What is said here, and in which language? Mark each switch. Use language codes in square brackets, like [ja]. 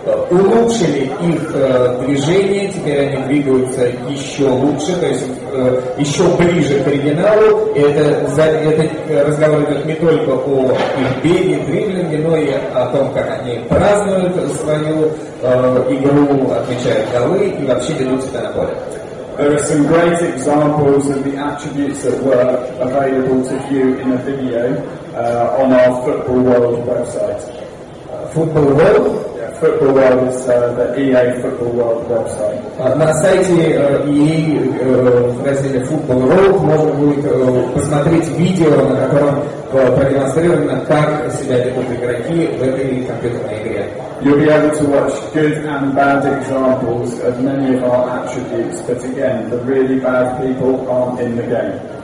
[ru] улучшили их движение, теперь они двигаются еще лучше, то есть еще ближе к оригиналу, и это разговор идет не только о их беге, дриблинге, но и о том, как они празднуют свою игру, отмечают голы и вообще ведутся на поле. [en] There are some great examples of the attributes that were available to view in a video on our Football World website. Football World? Football World is the EA Football World website. [ru] На сайте EA в разделе Football World можно будет посмотреть видео, на котором продемонстрировано, как себя ведут игроки в этой компьютерной игре. [en] You'll be able to watch good and bad examples of many of our attributes, but again, the really bad people aren't in the game.